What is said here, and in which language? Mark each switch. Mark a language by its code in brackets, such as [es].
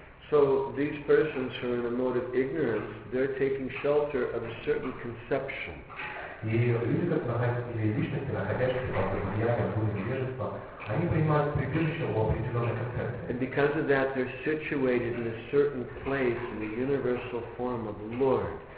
[en] So these persons who are in a mode of ignorance, they're taking shelter of a certain conception. [ru] И люди, которые находятся, или личности, находящиеся под влиянием Гуны невежества, они принимают прибежище в определенном. [en] because of that, they're situated in a certain place in the universal form of Lord.